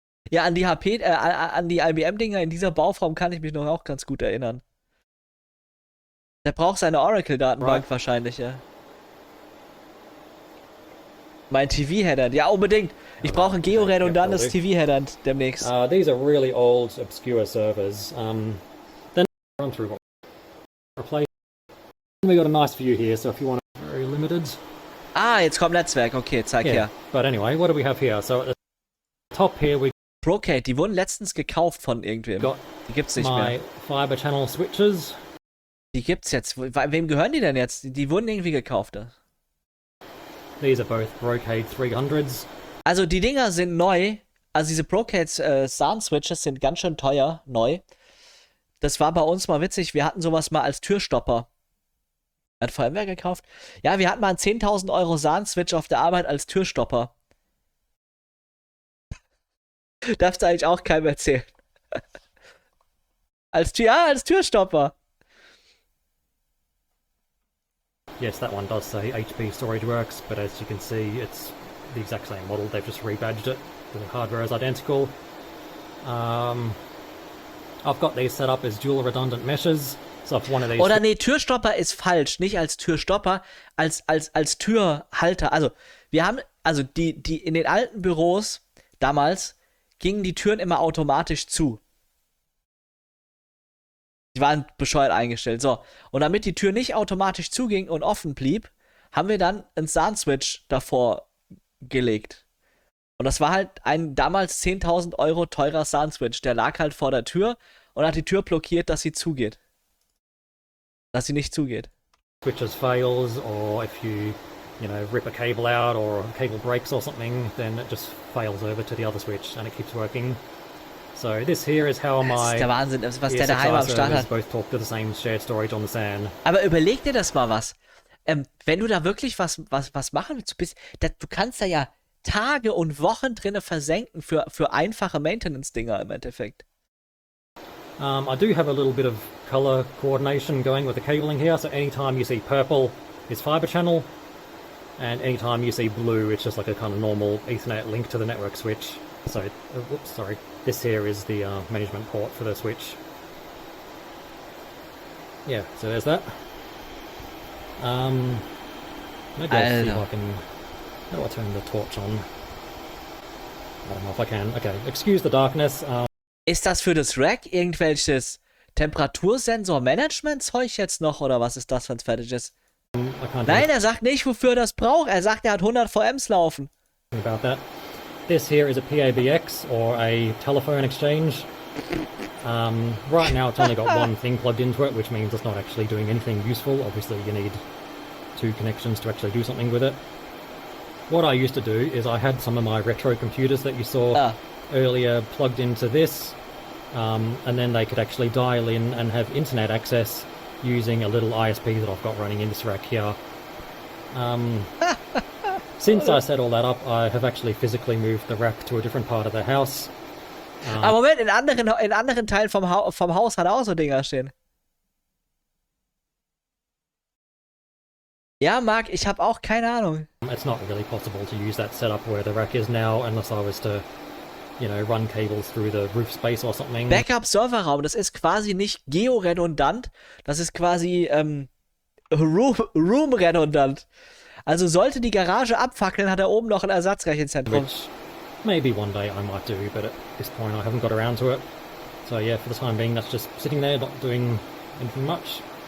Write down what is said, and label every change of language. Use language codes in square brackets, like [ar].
[de] Ja, an die HP, an die IBM-Dinger in dieser Bauform kann ich mich noch auch ganz gut erinnern. Der braucht seine Oracle-Datenbank wahrscheinlich, ja. Mein TV-Header, ja unbedingt. Ich brauche ein georedundantes TV-Header demnächst. [en] These are really old, obscure servers. Then run through what we replace. We got a nice view here, so if you want to very limited. [de] Ah, jetzt kommt Netzwerk, okay, zeig her. [en] But anyway, what do we have here? So at the top here we [de] Brocade, die wurden letztens gekauft von irgendwem. Die gibt's nicht mehr. Fiber Channel Switches. Die gibt's jetzt. Wem gehören die denn jetzt? Die wurden irgendwie gekauft. [en] These are both Brocade 300s. [de] Also die Dinger sind neu. Also diese Brocade SAN Switches sind ganz schön teuer, neu. Das war bei uns mal witzig. Wir hatten sowas mal als Türstopper. Hat VMware gekauft? Ja, wir hatten mal einen 10.000 Euro SAN Switch auf der Arbeit als Türstopper. Darfst du eigentlich auch keinem erzählen. als Türstopper. [en] Yes, that one does say HP Storage Works, but as you can see, it's the exact same model. They've just rebadged it. The hardware is identical. I've got these set up as dual redundant meshes. So if one of these... [de] Oder nee, Türstopper ist falsch. Nicht als Türstopper, als Türhalter. Also, wir haben... Also, die in den alten Büros damals... gingen die Türen immer automatisch zu. Die waren bescheuert eingestellt. So, und damit die Tür nicht automatisch zuging und offen blieb, haben wir dann einen SAN-Switch davor gelegt. Und das war halt ein damals 10.000 Euro teurer SAN-Switch. Der lag halt vor der Tür und hat die Tür blockiert, dass sie zugeht. Dass sie nicht zugeht. [en] Switches fails or if you... you know, rip a cable out or a cable breaks or something, then it just fails over to the other switch and it keeps working. So this here is how my ESXi servers both talk to the same shared storage on the SAN. [de] Aber überleg dir das mal was. Wenn du da wirklich was machen willst, du kannst da ja Tage und Wochen drinne versenken für einfache Maintenance-Dinger im Endeffekt. [en] I do have a little bit of color coordination going with the cabling here, so anytime you see purple is fiber channel. And anytime you see blue, it's just like a kind of normal Ethernet link to the network switch. So, this here is the management port for the switch. Yeah, so there's that. Maybe I'll see if I can... How do I turn the torch on? I don't know if I can. Okay, excuse the darkness. [de] Ist das für das Rack irgendwelches Temperatursensor-Management-Zeug jetzt noch, oder was ist das, wenn's fertig ist? [en] I can't. [de] Nein, er sagt nicht, wofür er das braucht. Er sagt, er hat 100 VMs laufen. [en] About that. This here is a PABX or a telephone exchange. Right now it's only got one thing plugged into it, which means it's not actually doing anything useful. Obviously you need two connections to actually do something with it. What I used to do is I had some of my retro computers that you saw earlier plugged into this, and then they could actually dial in and have internet access using a little ISP that I've got running in this rack here. Since I set all that up, I have actually physically moved the rack to a different part of the house. [de] Aber Moment, in anderen Teilen vom Haus hat er auch so Dinger stehen. Ja, Marc, ich habe auch keine Ahnung. [en] It's not really possible to use that setup where the rack is now, unless I was to, you know, run cables through the roof space or something. [de] Backup-Serverraum, das ist quasi nicht georedundant, das ist quasi room-redundant. Also sollte die Garage abfackeln, hat er oben noch ein Ersatzrechenzentrum. [en] Maybe one day I might do, but at this point I haven't got around to it. So yeah, for the time being, that's just sitting there, not doing anything much.